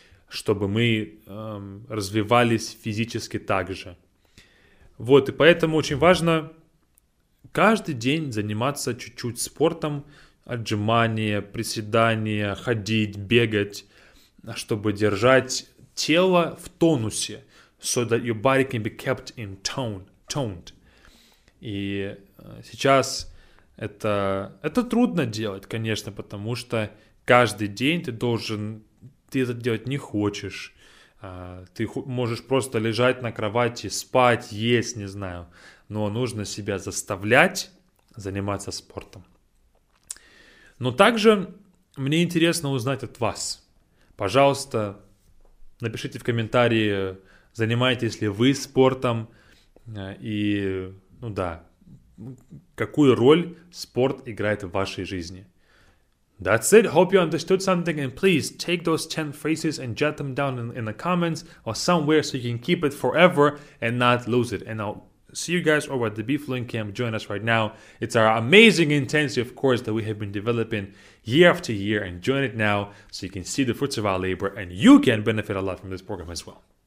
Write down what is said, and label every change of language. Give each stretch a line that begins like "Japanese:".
Russian: Чтобы мы развивались физически так же. Вот, и поэтому очень важно каждый день заниматься чуть-чуть спортом. Отжимания, приседания, ходить, бегать. Чтобы держать тело в тонусе.
English: So that your body can be kept in toned.
Russian: И сейчас это трудно делать, конечно, потому что каждый день ты это делать не хочешь. Ты можешь просто лежать на кровати, спать, есть, не знаю. Но нужно себя заставлять заниматься спортом. Но также мне интересно узнать от вас. Пожалуйста, напишите в комментарии, занимаетесь ли вы спортом, и, какую роль спорт играет в вашей жизни.
English: That's it. Hope you understood something, and please take those 10 phrases and jot them down in the comments or somewhere so you can keep it forever and not lose it. And I'll see you guys over at the BeFluent Camp. Join us right now. It's our amazing intensive course that we have been developing year after year, and join it now so you can see the fruits of our labor and you can benefit a lot from this program as well.